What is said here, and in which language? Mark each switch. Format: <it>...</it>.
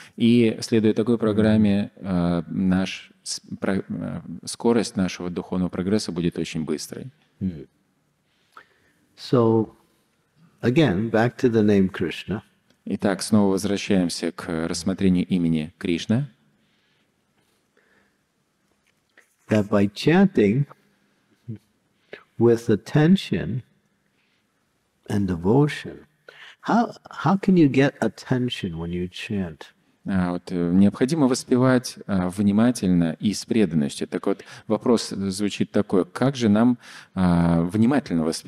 <ru>И следуя такой программе, наш скорость нашего духовного прогресса будет очень быстрой.</ru> <en>So, again, back to the name Krishna.</en> <ru>Итак, снова возвращаемся к рассмотрению имени Кришна.</ru> <en>That by chanting with attention and devotion, how can you get attention when you chant?</en> <ru>Вот, необходимо воспевать внимательно и с преданностью. Так вот, вопрос звучит такой, как же нам внимательно</ru>